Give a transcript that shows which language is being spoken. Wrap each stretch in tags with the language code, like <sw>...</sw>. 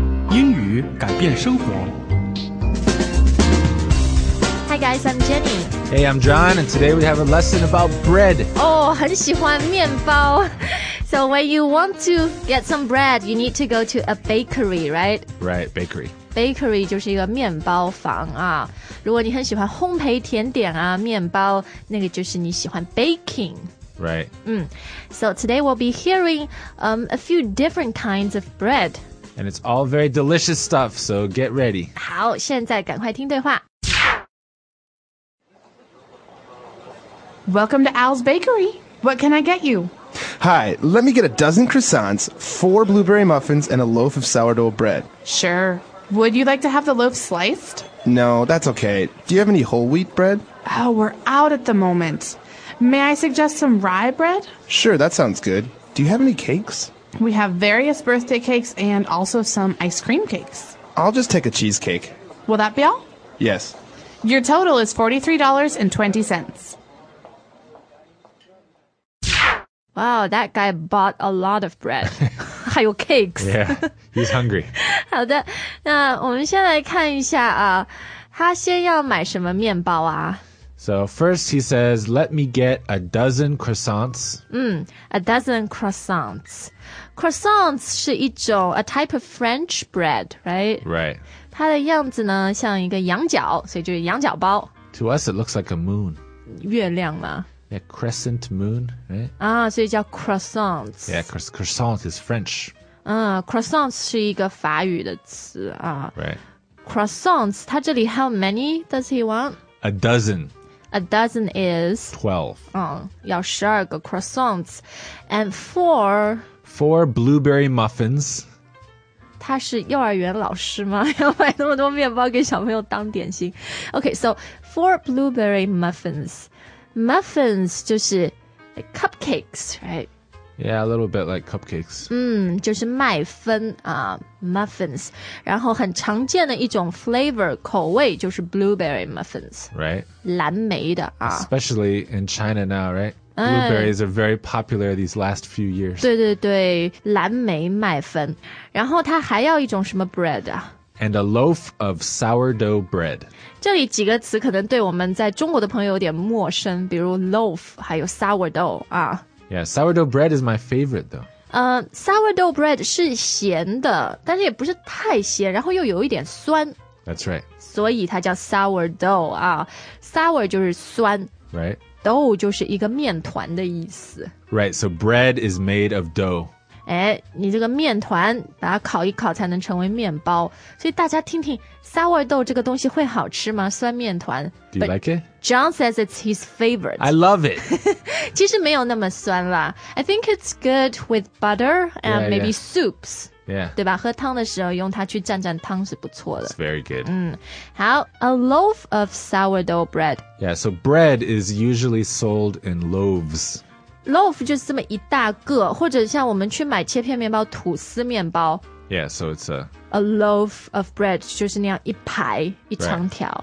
<zh>英语改变生活。</zh> <en>Hi guys, I'm Jenny. Hey, I'm John, and today we have a lesson about bread.</en> <zh>Oh, 很喜欢面包。</zh> <en>So when you want to get some bread, you need to go to a bakery, right? Right, bakery.</en> <zh>Bakery 就是一个面包房啊。如果你很喜欢烘焙甜点啊，面包，那个就是你喜欢 baking。</zh> <en>Right. So today we'll be hearing a few different kinds of bread. And it's all very delicious stuff, so get ready.</en> <zh>好，现在赶快听对话。</zh> <en>Welcome to Al's Bakery. What can I get you? Hi, let me get a dozen croissants, 4 blueberry muffins, and a loaf of sourdough bread. Sure. Would you like to have the loaf sliced? No, that's okay. Do you have any whole wheat bread? Oh, we're out at the moment. May I suggest some rye bread? Sure, that sounds good. Do you have any cakes? We have various birthday cakes and also some ice cream cakes. I'll just take a cheesecake. Will that be all? Yes. Your total is $43.20. Wow, that guy bought a lot of bread.</en> <zh>还有 cakes.</zh> <en>Yeah, he's hungry.</en> <zh>好的，那我们先来看一下啊，他先要买什么面包啊？</zh> <en>So first he says, let me get a dozen croissants. A dozen croissants. Croissants</en> <zh>是一种</zh> <en>a type of French bread, right? Right.</en> <zh>它的样子呢像一个羊角，所以就是羊角包。</zh> <en>To us it looks like a moon.</en> <zh>月亮嘛。</zh> <en>Yeah, crescent moon, right?</en> <zh>啊，所以叫 croissants.</zh> <en>Yeah, croissant is French.</en> <zh>Croissants 是一个法语的词啊。</zh> <en>Right. Croissants,</en> <zh>它这里</zh> <en>how many does he want? A dozen. A dozen is? 12.</en> <zh>要12个 croissants.</zh> <en>And 4? 4 blueberry muffins.</en> <zh>他是幼儿园老师吗？要买那么多面包给小朋友当点心。</zh> <en>Okay, so 4 blueberry muffins. Muffins</en> <zh>就是</zh> <en>like cupcakes, right? Yeah, a little bit like cupcakes.</en> <zh>就是麦芬啊、muffins. 然后很常见的一种 flavor, 口味就是 blueberry muffins.</zh> <en>Right.</en> <zh>蓝莓的啊。</zh> <en>Especially in China now, right? Blueberries are very popular these last few years.</en> <zh>对对对，蓝莓麦芬。然后它还要一种什么 bread 啊？</zh> <en>And a loaf of sourdough bread.</en> <zh>这里几个词可能对我们在中国的朋友有点陌生，比如 loaf, 还有 sourdough 啊。</zh> <en>Yeah, sourdough bread is my favorite, though.</en> <zh>Sourdough bread 是咸的，但是也不是太咸，然后又有一点酸。</zh> <en>That's right.</en> <zh>所以它叫 sourdough, 啊。 Sour 就是酸。</zh> <en>Right.</en> <zh>Dough 就是一个面团的意思。</zh> <en>Right, so bread is made of dough.</en> <zh>哎，你这个面团，把它烤一烤才能成为面包。所以大家听听 ,sourdough 这个东西会好吃吗？酸面团。</zh> <en>Do you like it? John says it's his favorite. I love it.</en> <zh>其实没有那么酸啦。</zh> <en>I think it's good with butter and maybe soups. Yeah.</en> <zh>对吧？喝汤的时候用它去蘸蘸汤是不错的。</zh> <en>It's very good. 好 ,a loaf of sourdough bread. Yeah, so bread is usually sold in loaves.</en> <zh>Loaf 就是这么一大个，或者像我们去买切片面包，吐司面包。</zh> <en>Yeah, so it's a... A loaf of bread,</en> <zh>就是那样一排一长条</zh>